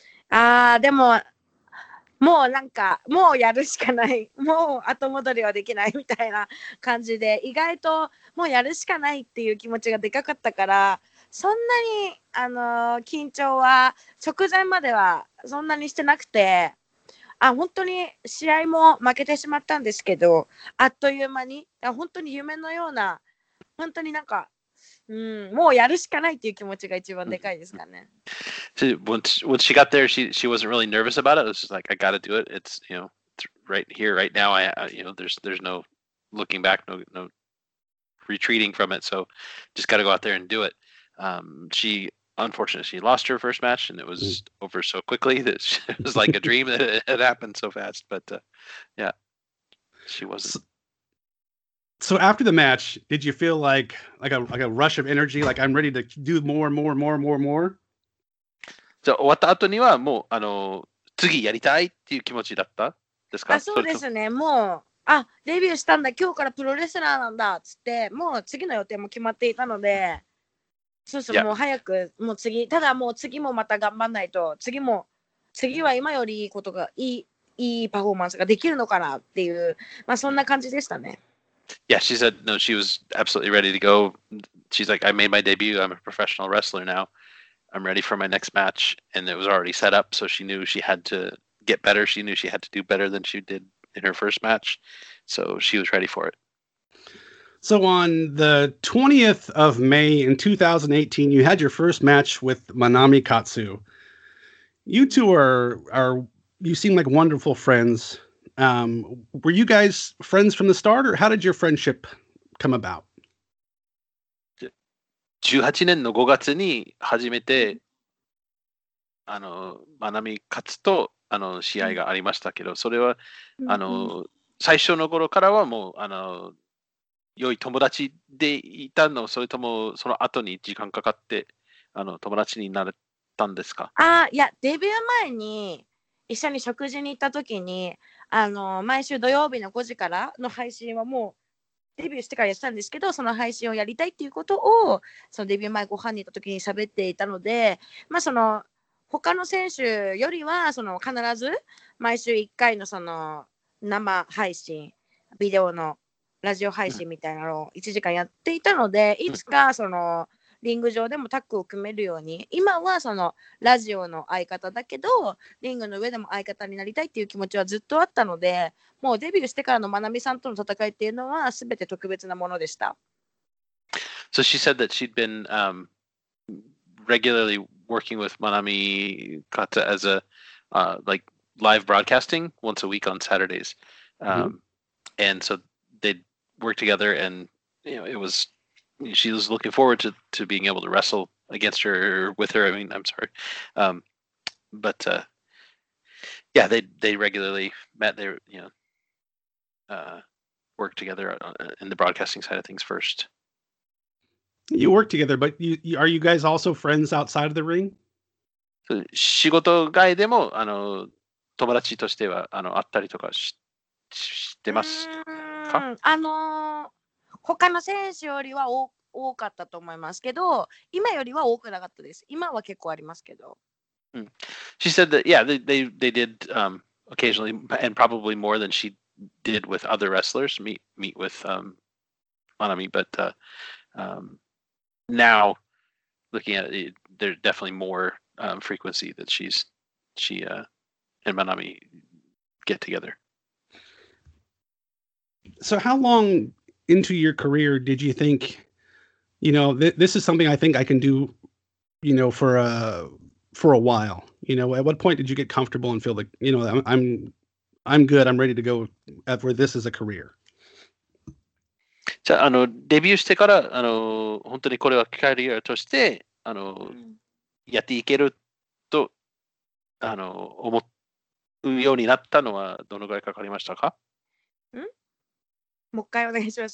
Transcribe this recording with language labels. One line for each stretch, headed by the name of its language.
Japanese: Ah, demo もうなんかもうやるしかないもう後戻りはできないみたいな感じで意外ともうやるしかないっていう気持ちがでかかったからそんなに緊張は直前まではそんなにしてなくてあ本当に試合も負けてしまったんですけどあっという間に本当に夢のような本当になんかもうやるしかないっていう気持ちが一番でかいですかね。
English: When she got there, she wasn't really nervous about it. It was just like, I gotta do it. It's, you know, right here, right now. There's no looking back, no retreating from it. So just gotta go out there and do it. Unfortunately, she lost her first match, and it was over so quickly that she, it was like a dream that it happened so fast. But yeah, she wasn't. So after the match, did you feel like a rush of energy? Like, I'm ready to do more, more, more, more, more?
Japanese: じゃ終わった後にはもう次やりたいっていう気持ちだったですか？あ、そうですね。もうデビューしたんだ。今日からプロレスラーなんだっつって、もう次の予定も決まっていたので、そうそう、もう早くもう次。ただもう次もまた頑張んないと、次は今よりいいことがいいパフォーマンスができるのかなっていう、まあそんな感じでしたね。
English: Yeah, she said no. She was absolutely ready to go. She's like, I made my debut. I'm a professional wrestler now. I'm ready for my next match, and it was already set up, so she knew she had to get better. She knew she had to do better than she did in her first match, so she was ready for it. So on the 20th of May in 2018, you had your first match with Manami Katsu. You two are you seem like wonderful friends. Were you guys friends from the start, or how did your friendship come about?
Japanese: 18年の5月に初めてマナミ勝つと試合がありましたけど、それは最初の頃からはもう良い友達でいたの、それともその後に時間かかって友達になったんですか？あ、いや、デビュー前に一緒に食事に行った時に毎週土曜日の5時からの配信はもうデビューしてからやってたんですけど、その配信をやりたいっていうことを、そのデビュー前ご飯に行った時に喋っていたので、まあその他の選手よりは、その必ず毎週1回のその生配信、ビデオのラジオ配信みたいなのを1時間やっていたので、いつかそのリング上でもタッグを組めるように、今はそのラジオの相方だけど、リングの上でも相方になりたいっていう気持ちはずっとあったので、もうデビューしてからのマナミさんとの戦いっていうのは全て特別なものでした。
English: So she said that she'd been regularly working with Manami Kata as a like live broadcasting once a week on Saturdays. And so they'd work together and you know it was she was looking forward to being able to wrestle against her with her. I mean, I'm sorry. Yeah, they regularly met there, you know. Work together in the broadcasting side of things first. You work together, but are you guys also friends outside of the ring?
Japanese: 仕事外でも友達としては会ったりとかしてますか？他の選手よりは多かったと思いますけど、今よりは多くなかったです。今は結構ありますけど。
English: She said that, yeah, they did occasionally, and probably more than she did with other wrestlers, meet with Manami. But now, looking at it, there's definitely more frequency that she and Manami get together. So how long into your career did you think, you know, this is something I think I can do, you know, for a while? You know, at what point did you get comfortable and feel like, you know, I'm good, I'm ready to go at where this is a career?
Japanese: じゃあ、あの、デビューしてから、あの、本当にこれはキャリアとして、あの、やっていけると、あの、思うようになったのはどのぐらいかかりましたか？もう一回お願いします。